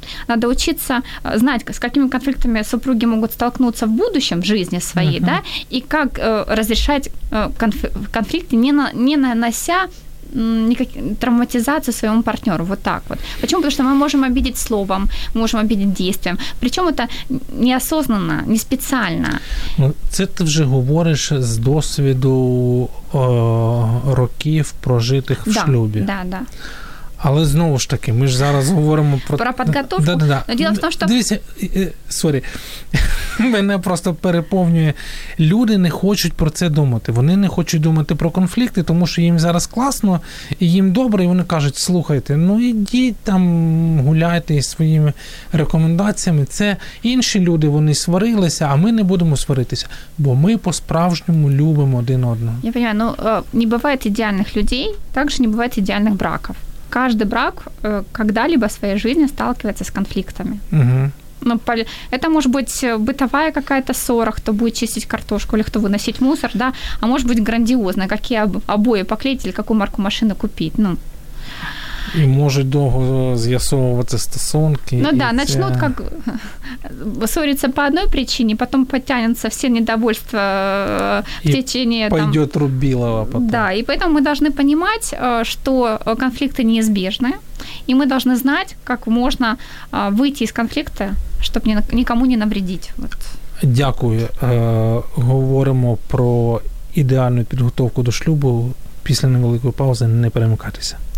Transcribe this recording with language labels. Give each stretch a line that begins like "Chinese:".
Russian: Надо учиться знать, с какими конфликтами супруги могут столкнуться в будущем, в жизни своей, да, и как разрешать конфликты, не нанося никакой травматизации своему партнеру. Вот так вот. Почему? Потому что мы можем обидеть словом, можем обидеть действием. Причем это неосознанно, не специально.
Ukrainian: Це ти вже говориш з досвіду років, прожитих в шлюбі.
Russian: Да, да.
Ukrainian: Але знову ж таки, ми ж зараз говоримо про... Про підготовку?
Russian: Да.
Ukrainian: Діло в тому, що... Дивіться, сорі, мене просто переповнює. Люди не хочуть про це думати. Вони не хочуть думати про конфлікти, тому що їм зараз класно, і їм добре, і вони кажуть, слухайте, ідіть там, гуляйте із своїми рекомендаціями. Це інші люди, вони сварилися, а ми не будемо сваритися, бо ми по-справжньому любимо один одного. Я розумію, не буває ідеальних людей, також не буває ідеальних браків.
Russian: Каждый брак когда-либо в своей жизни сталкивается с конфликтами. Это может быть бытовая какая-то ссора, кто будет чистить картошку или кто выносить мусор, да? А может быть грандиозно, какие обои поклеить или какую марку машины купить. И может долго
Ukrainian: з'ясовуватися стосунки.
Russian: Начнут как ссориться по одной причине, потом подтянутся все недовольства в течение... И пойдет рубилово потом. Да, и поэтому мы должны понимать, что конфликты неизбежны. И мы должны знать, как можно выйти из конфликта, чтобы никому не навредить. Вот.
Ukrainian: Дякую. Говоримо про ідеальну підготовку до шлюбу. Після невеликої паузи не перемикатися.